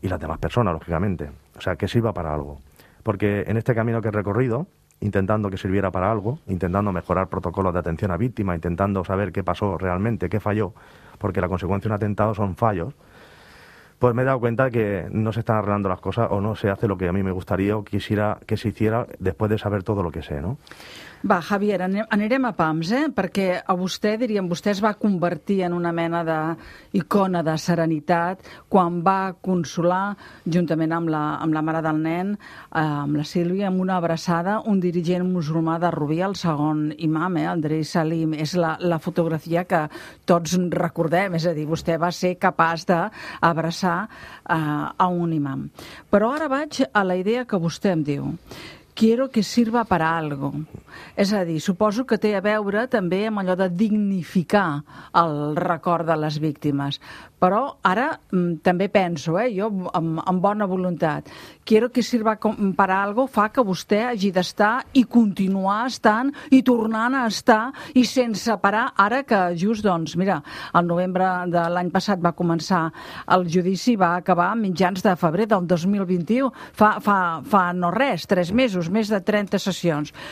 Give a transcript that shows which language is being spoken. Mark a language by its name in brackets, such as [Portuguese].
[Spanish] Y las demás personas, lógicamente. O sea, que sirva para algo. Porque en este camino que he recorrido, intentando que sirviera para algo, intentando mejorar protocolos de atención a víctimas, intentando saber qué pasó realmente, qué falló, porque la consecuencia de un atentado son fallos, pues me he dado cuenta que no se están arreglando las cosas o no se hace lo que a mí me gustaría o quisiera que se hiciera después de saber todo lo que sé, ¿no? [Catalan] Va, Javier, anirem a pams, perquè a vostè, diríem, vostè es va convertir en una mena d'icona de serenitat quan va consolar, juntament amb la mare del nen, amb la Sílvia, amb una abraçada, un dirigent musulmà de Rubí, el segon imam, Andrés Salim. És la fotografia que tots recordem, és a dir, vostè va ser capaç d'abraçar a un imam. Però ara vaig a la idea que vostè em diu, [Spanish] quiero que sirva per a algo. [Catalan] És a dir, suposo que té a veure també amb allò de dignificar el record de les víctimes. Però ara també penso, jo amb bona voluntat, [Spanish] quiero que sirva per a algo [Catalan] fa que vostè hagi d'estar i continuar estant i tornant a estar i sense parar, ara que just, doncs, mira, el novembre de l'any passat va començar el judici, va acabar a mitjans de febrer del 2021, fa no res, 3 mesos, més de 30 sessions.